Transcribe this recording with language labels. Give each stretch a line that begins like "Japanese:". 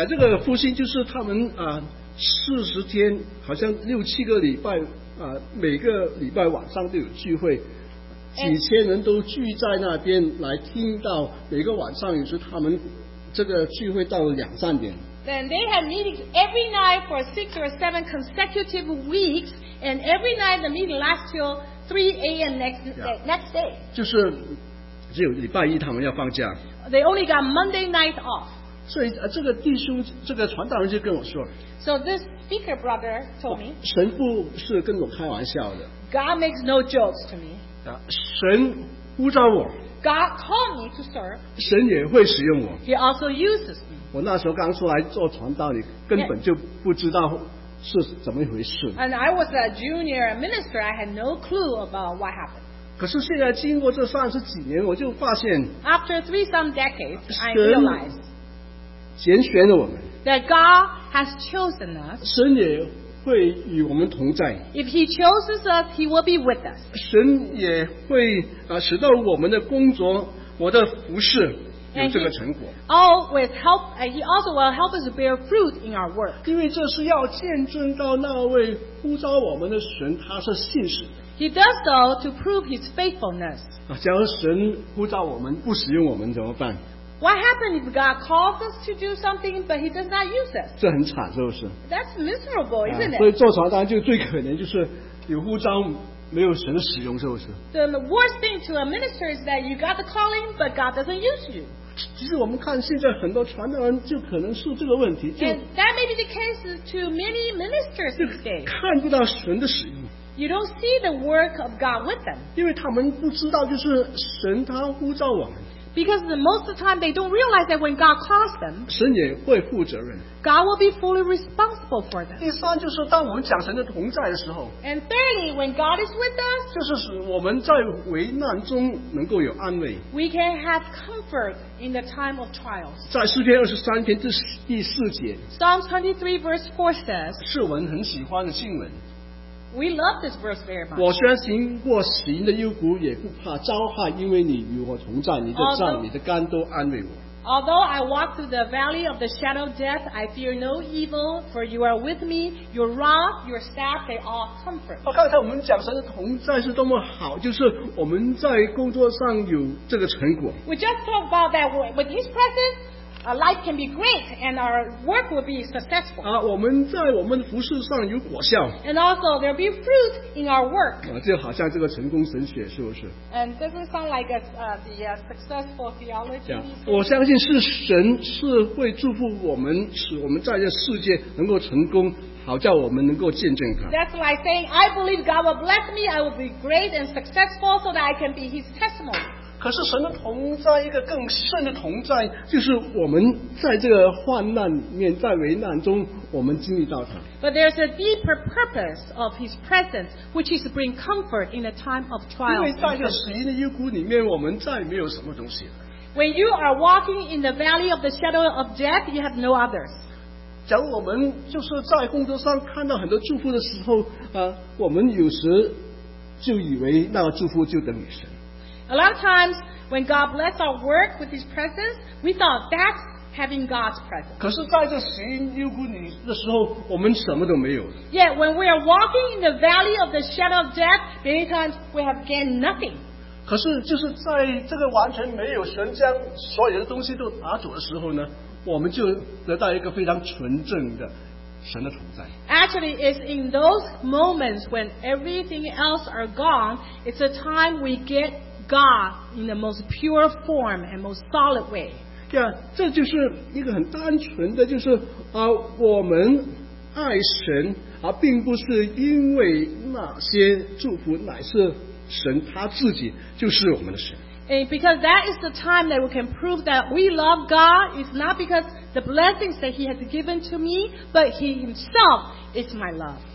Chinese: 这个复兴就是他们40天好像六七个礼拜每个礼拜晚上都有聚会，几千人都聚在那边来听到，每个晚上也是他们这个聚会到了两三点。
English: Then they had meetings every night for 6 or 7 consecutive weeks and every night the meeting lasts till 3 a.m. next day.
Chinese: 就是只有礼拜一他们要放假。
English: They only got Monday night off.
Chinese: 所以这个弟兄这个传道人就跟我说。
English: So this speaker brother told me.
Chinese: 神不是跟我开玩笑的。
English: God makes no jokes to me.
Chinese: 神呼召我。
English: God called me to serve.
Chinese: 神也会使用我。
English: He also uses me.
Chinese: 我那时候刚出来做传道，你根本就不知道。是怎么一回事？
English: And I was a junior minister. I had no clue about what happened.
Chinese: 可是现在经过这三十几年，我就发现
English: After three some decades, I realized
Chinese: 拣选了我们
English: that God has chosen us.
Chinese: 神也会与我们同在。
English: If he chooses us, he will be with us.
Chinese: 神也会使到我们的工作，我的服事有这个成果。
English: Always help, he also will help us bear fruit in our work.
Chinese: 因为这是要见证到那位呼召我们的神，他是信实的。
English: He does so to prove his faithfulness.
Chinese: 假如神呼召我们不使用我们怎么办？
English: What happens if God calls us to do something, but He does not use us?
Chinese: 这很惨，是不是？
English: That's miserable, isn't it?
Chinese: 所以做传道就最可怜，就是有呼召，没有神的使用，是不是？
English: The worst thing to a minister is that you got the calling, but God doesn't use you.
Chinese: 其实我们看现在很多传道人就可能是这个问题。
English: And that may be the case to many ministers these days.
Chinese: 看不到神的使用。
English: You don't see the work of God with them.
Chinese: 因为他们不知道，就是神他呼召我们。
English: Because the most of the time, they don't realize that when God calls them,
Chinese: 神也会负责任。
English: God will be fully responsible for them.
Chinese: 第三就是当我们讲神的同在的时候。
English: And thirdly, when God is with us,
Chinese: 就是我们在危难中能够有安慰。
English: We can have comfort in the time of trials.
Chinese: 在诗篇二十三篇第四节。
English: Psalms 23 verse 4 says,
Chinese: 是我们很喜欢的经文。
English: We love this verse very much.
Chinese: 我虽然行过死荫的幽谷，也不怕遭害，因为你与我同在，你的杖、你的竿都安慰我。
English: Although I walk through the valley of the shadow of death, I fear no evil, for you are with me. Your rod, your staff, they all comfort.
Chinese: 刚才我们讲神的同在是多么好，就是我们在工作上有这个成果。
English: We just talked about that with His presence. Our life can be great and our work will be successful.
Chinese: 我们在我们服事上有果效。
English: And also there will be fruit in our work.
Chinese: 就好像这个成功神学，是不是？
English: And doesn't it sound like the successful theology?
Chinese: 我相信是神是会祝福我们，使我们在这世界能够成功，好叫我们能够见证他。
English: That's like saying, I believe God will bless me, I will be great and successful so that I can be His testimony.
Chinese: 可是神的同在，一个更深的同在，就是我们在这个患难面，在危难中，我们经历到他。
English: But there's a deeper purpose of His presence, which is to bring comfort in a time of trial.
Chinese: 因为在这死荫的幽谷里面，我们再没有什么东西了。
English: When you are walking in the valley of the shadow of death, you have no others.
Chinese: 假如我们就是在工作上看到很多祝福的时候，我们有时就以为那个祝福就等于神。
English: A lot of times, when God blessed our work with His presence, we thought that's having God's presence.
Chinese: 可是在这死荫幽谷里的时候，我们什么都没有。
English: Yet, when we are walking in the valley of the shadow of death, many times we have gained nothing.
Chinese: 可是就是在这个完全没有神将所有的东西都拿走的时候呢，我们就得到一个非常纯正的神的同在。
English: Actually, it's in those moments when everything else are gone, it's a time we get God in the most pure form and most solid way.
Chinese: Yeah, 这就是一个很单纯的，就是我们爱神并不是因为那些祝福，乃是神他自己就是我们的神。
English: And because that is the time that we can prove that we love God, it's not because the blessings that He has given to me, but He Himself is my love.